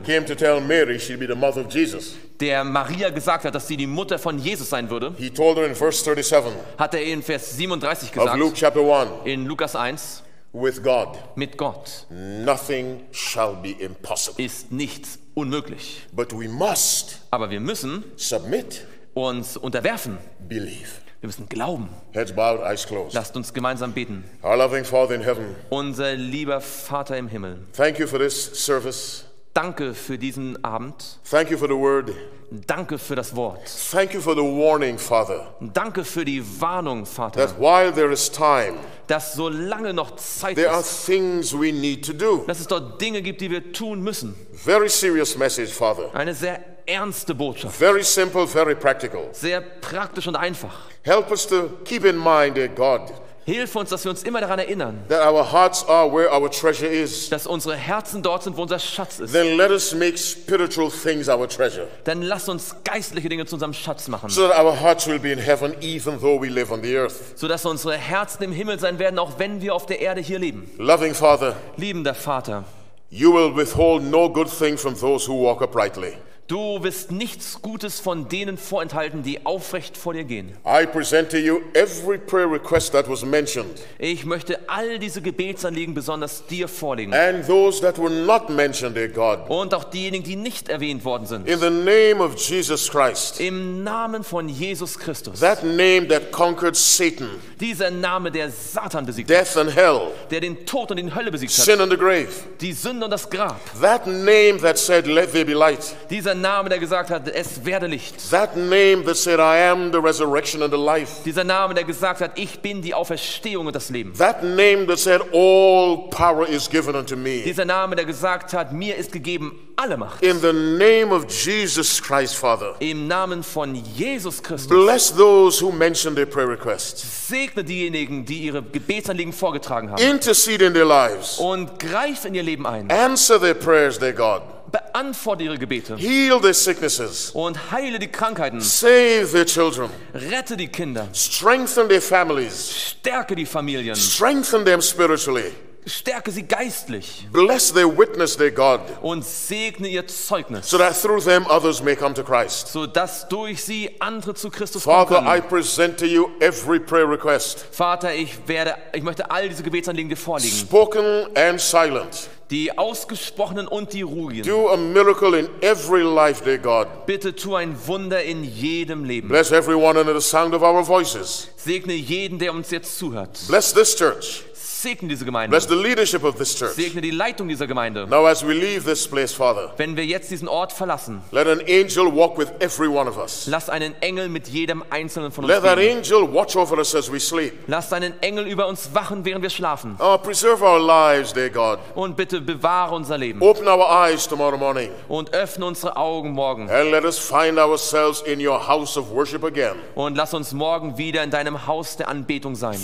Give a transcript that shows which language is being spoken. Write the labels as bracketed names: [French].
[English] came to tell Mary she'd be the mother of Jesus, [German] der Maria gesagt hat, dass sie die Mutter von Jesus sein würde, [English] he told her in verse 37, [German] hat er in Vers 37 gesagt, [English] of Luke chapter 1, [German] in Lukas 1, [English] with God, [German] mit Gott, [English] nothing shall be impossible, [German] ist nichts unmöglich. [English] But we must, [German] aber wir müssen, [English] submit, [German] uns unterwerfen, [English] believe. [German] Wir müssen glauben. [English] Heads bowed, eyes closed. [German] Lasst uns gemeinsam beten. [English] Our loving Father in heaven. [German] Unser lieber Vater im Himmel. [English] Thank you for this service. [German] Danke für diesen Abend. [English] Thank you for the word. [German] Danke für das Wort. [English] Thank you for the warning, Father. [German] Danke für die Warnung, Vater. [English] That while there is time, [German] dass solange noch Zeit [English] there [German] ist, [English] are things we need to do. [German] Dass es dort Dinge gibt, die wir tun müssen. [English] Very serious message, Father. [German] Eine sehr ernste Botschaft. [English] Very simple, very practical. [German] Sehr praktisch und einfach. [English] Help us to keep in mind, dear God. [German] Hilf uns, dass wir uns immer daran erinnern, [English] that our hearts are where our treasure is. [German] Dass unsere Herzen dort sind, wo unser Schatz ist. [English] Then let us make spiritual things our treasure. [German] Dann lass uns geistliche Dinge zu unserem Schatz machen. [English] So that our hearts will be in heaven, even though we live on the earth. [German] So dass unsere Herzen im Himmel sein werden, auch wenn wir auf der Erde hier leben. [English] Loving Father, [German] liebender Vater, [English] you will withhold no good thing from those who walk uprightly. [German] Du wirst nichts Gutes von denen vorenthalten, die aufrecht vor dir gehen. [English] I present to you every prayer request that was mentioned. [German] Ich möchte all diese Gebetsanliegen besonders dir vorlegen. [English] And those that were not mentioned, dear God. [German] Und auch diejenigen, die nicht erwähnt worden sind. [English] In the name of Jesus Christ. [German] Im Namen von Jesus Christus. [English] That name that conquered Satan. [German] Dieser Name, der Satan besiegt. [English] Death and hell. [German] Der den Tod und die Hölle besiegt. [English] Sin [German] hat. [English] And the grave. [German] Die Sünde und das Grab. [English] That name that said, "Let there be light." [German] Dieser Name, der gesagt hat, es werde Licht. [English] That name that said, I am the resurrection and the life. [German] Dieser Name, der gesagt hat, ich bin die Auferstehung und das Leben. [English] That name that said, all power is given unto me. [German] Dieser Name, der gesagt hat, mir ist gegeben alle Macht. [English] In the name of Jesus Christ, Father. [German] Im Namen von Jesus Christus. [English] Bless those who mentioned their prayer requests. [German] Segne diejenigen, die ihre Gebetsanliegen vorgetragen haben. [English] Intercede in their lives. [German] Und greif in ihr Leben ein. [English] Answer their prayers, dear God. [German] Beantworte ihre Gebete. [English] Heal their sicknesses. [German] Und heile die Krankheiten. [English] Save their children. [German] Rette die Kinder. [English] Strengthen their families. [German] Stärke die Familien. [English] Strengthen them spiritually. [German] Stärke sie geistlich. [English] Bless their witness, their God. [German] Und segne ihr Zeugnis. [English] So that through them others may come to Christ. [German] So dass durch sie andere zu Christus [English] Father, [German] kommen können. [English] Father, I present to you every prayer request. [German] Vater, ich möchte all diese Gebetsanliegen dir vorlegen. [English] Spoken and silent. [German] Die ausgesprochenen und die ruhigen. [English] Do a miracle in every life, dear God. [German] Bitte tu ein Wunder in jedem Leben. [English] Bless everyone under the sound of our voices. [German] Segne jeden, der uns jetzt zuhört. [English] Bless this church. [German] Segne diese Gemeinde. [English] Bless the leadership of this church. [German] Segne die Leitung dieser Gemeinde. [English] Now as we leave this place, Father, [German] wenn wir jetzt diesen Ort verlassen, [English] let an angel walk with every one of us. [German] Lass einen Engel mit jedem einzelnen von uns. [English] Let that angel watch over us as we sleep. [German] Lass einen Engel über uns wachen, während wir schlafen. [English] Oh, preserve our lives, dear God. [German] Und bitte bewahre unser Leben. [English] Open our eyes tomorrow morning. [German] Und öffne unsere Augen morgen. [English] And let us find ourselves in your house of worship again. [German] Und lass uns morgen wieder in deinem Haus der Anbetung sein.